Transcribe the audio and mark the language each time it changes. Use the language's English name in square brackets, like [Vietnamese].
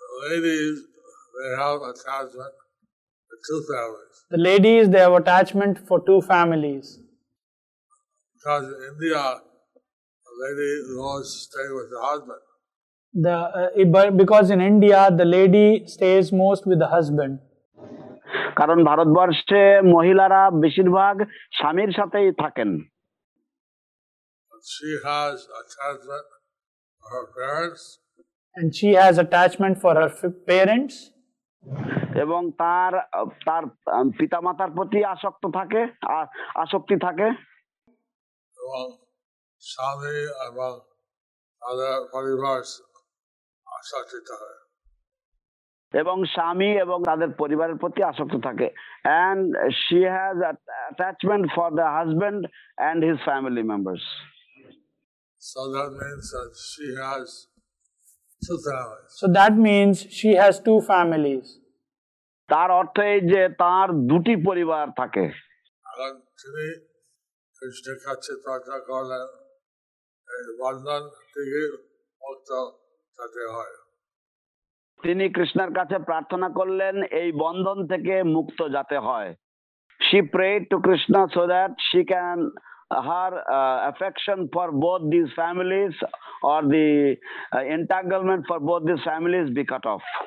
[English] Ladies, they have attachment for two families. The ladies, they have attachment for two families. Because in India, a lady goes to stay with the husband. Because in India, the lady stays most with the husband. [Bangla] কারণ ভারতবর্ষে মহিলারা বেশিরভাগ স্বামীর সাথেই থাকেন [English] she has attachment for her parents and she has attachment for her parents [Bangla] এবং তার পিতামাতার প্রতি আসক্ত থাকে আসক্তি থাকে স্বামী এবং তার পরিবার আসক্তি থাকে এবং স্বামী এবং তাদের পরিবারের প্রতি আসক্ত থাকে [English] and she has attachment for the husband and his family members so that means that she has two families so that means she has two families [Bangla] তার অর্থ এই যে তার দুটি পরিবার থাকে এবং তিনি কৃষ্ণের কাছে প্রার্থনা করলেন এই বন্ধন থেকে মুক্ত থাকতে হয় তিনি কৃষ্ণের কাছে প্রার্থনা করলেন এই বন্ধন থেকে মুক্ত যাতে হয় [English] she prayed to krishna so that she can her affection for both these families or the entanglement for both these families be cut off